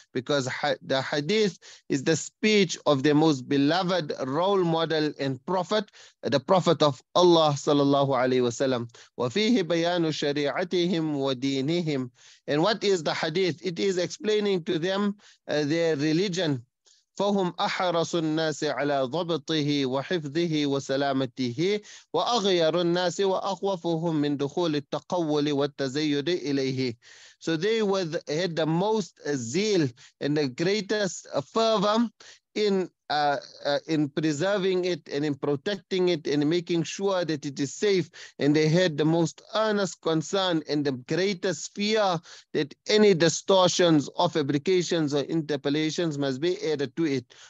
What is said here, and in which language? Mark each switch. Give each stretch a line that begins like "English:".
English: Because the hadith is the speech of the most beloved role model and prophet, the prophet of Allah
Arabic: صلى الله عليه وسلم. وَفِيهِ بَيَانُ شَرِيعَتِهِمْ وَدِينِهِمْ.
English: And what is the hadith? It is explaining to them their religion.
Arabic: فهم أحرص الناس على ضبطه وحفظه وسلامته وأغير الناس وأخوفهم من دخول التقول والتزيد إليه.
English: So they were had the most zeal and the greatest fervor in preserving it and in protecting it and making sure that it is safe. And they had the most earnest concern and the greatest fear that any distortions or fabrications or interpolations must be added to it.